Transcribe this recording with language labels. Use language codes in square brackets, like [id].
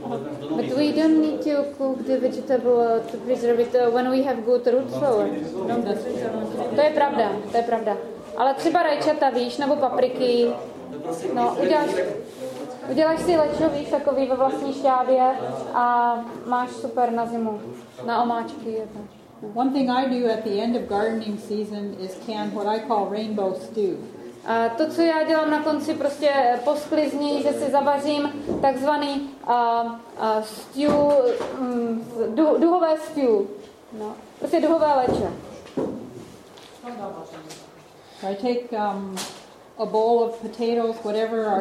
[en] But we don't need to cook the vegetable to preserve it when we have good root flour. [cs] To je pravda, to je pravda. Ale třeba rajčata, víš, nebo papriky. No, uděláš si lečo, víš, takový ve vlastní šťávě a máš super na zimu, na omáčky. [en] One thing I do at the end of gardening season is can what I call rainbow stew. [cs] A to, co já dělám na konci, prostě posklizní, že si zavařím takzvaný stew, duhové stew. No, prostě duhové leče. [en] I take a bowl of potatoes, whatever are